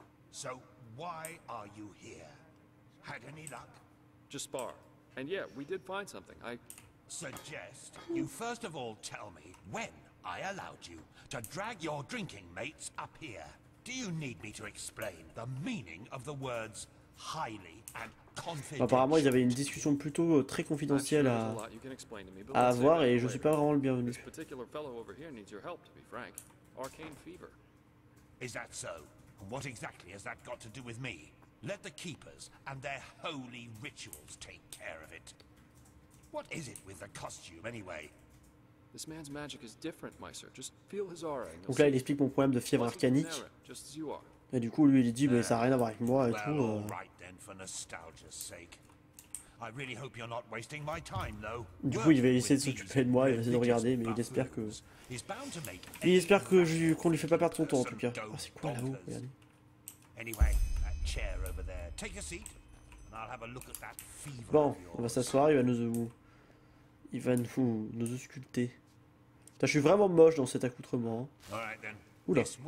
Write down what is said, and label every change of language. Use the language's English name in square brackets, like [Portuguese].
[English] So, why are you here? Had any luck? Just spar. And yeah, we did find something. I... Suggest you first of all tell me when I allowed you to drag your drinking mates up here. Do you need me to explain the meaning of the words highly and confidential? [French] Apparemment, ils avaient une discussion plutôt très confidentielle à avoir et je suis pas vraiment le bienvenu. [English] This particular fellow over here needs your help, to be frank. Arcane fever. Is that so? What exactly has that got to do with me? Let the keepers and their holy rituals take care of it. What is it with the costume anyway? This man's magic is different, Meister. Just feel his aura. [French] Donc là, il explique mon problème de fièvre arcanique. Et du coup, lui, il dit, mais ça n'a rien à voir avec moi et tout. [English] Well, right then, for nostalgia's sake. I really hope you're not wasting my time, though. [French] Du coup, il va essayer de s'occuper de moi, il va essayer de regarder, mais il espère que. Il espère que qu'on lui fait pas perdre son temps, en tout cas. Oh, c'est quoi là-haut? Regardez. [English] Anyway, that chair over there. Take a seat, and I'll have a look at that fever. [French] Bon, on va s'asseoir, il va nous. Il va nous ausculter. Je suis vraiment moche dans cet accoutrement. Oula.